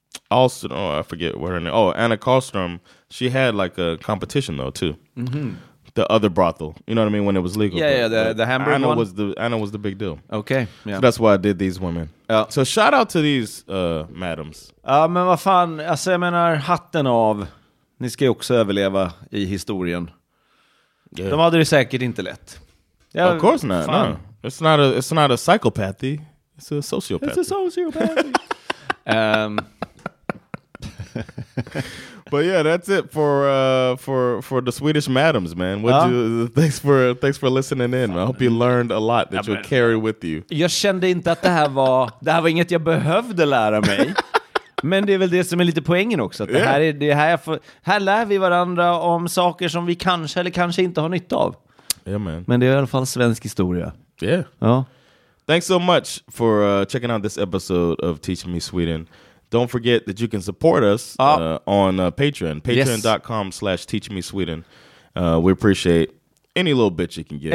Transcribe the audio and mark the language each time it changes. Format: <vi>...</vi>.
<en>Alston, I forget what her name. Oh, Anna Karlström. She had like a competition though too. Mm-hmm. The other brothel, you know what I mean, when it was legal. Yeah, the Hamburg Anna one. Anna was the big deal. Okay, yeah. So that's why I did these women. So shout out to these madams.</en> <sv>Ja, men vad fan, alltså jag menar hatten av. Ni ska ju också överleva i historien. Yeah. De hade det säkert inte lätt.</sv> <en>Yeah, of course not. No. It's not a psychopathy. It's a sociopathy. It's a sociopathy. But yeah, that's it for the Swedish madams, man. Thanks for listening in. I hope you learned a lot that you'll carry with you.</en> <sv>Jag kände inte att det här var inget jag behövde lära mig. Men det är väl det som är lite poängen också, att här lär vi varandra om saker som vi kanske eller kanske inte har nytta av.</sv> <en>Yeah, man.</en> <sv>Men det är i alla fall svensk historia.</sv> <en>Yeah.</en> <sv>Ja.</sv> <en>Thanks so much for checking out this episode of Teach Me Sweden. Don't forget that you can support us on Patreon. Patreon.com/teachmesweden. We appreciate any little bit you can get.</en>